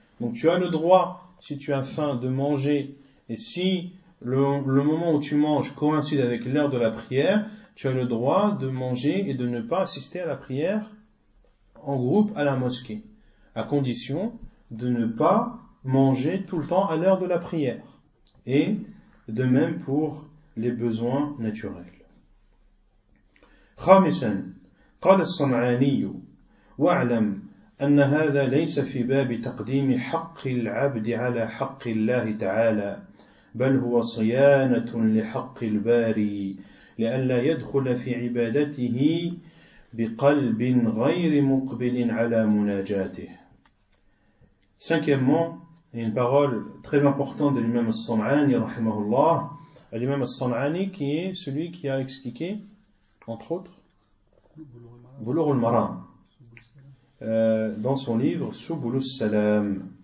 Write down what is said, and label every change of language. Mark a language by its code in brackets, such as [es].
[fr] Donc tu as le droit, si tu as faim, de manger, et si le moment où tu manges coïncide avec l'heure de la prière, tu as le droit de manger et de ne pas assister à la prière en groupe à la mosquée, à condition de ne pas manger tout le temps à l'heure de la prière, et de même pour les besoins naturels. [ar] خامساً قال الصنعاني واعلم أن هذا ليس في باب تقديم حق العبد على حق الله تعالى بل هو صيانة لحق الباري لئلا يدخل في عبادته بقلب غير مقبل على مناجاته. [fr] Cinquièmement, une parole très importante de l'imam al-Sam'ani rahimahullah, l'imam al-Sam'ani qui est celui qui a expliqué, entre autres, Bulugh al-Maram, dans son livre Subul al-Salam.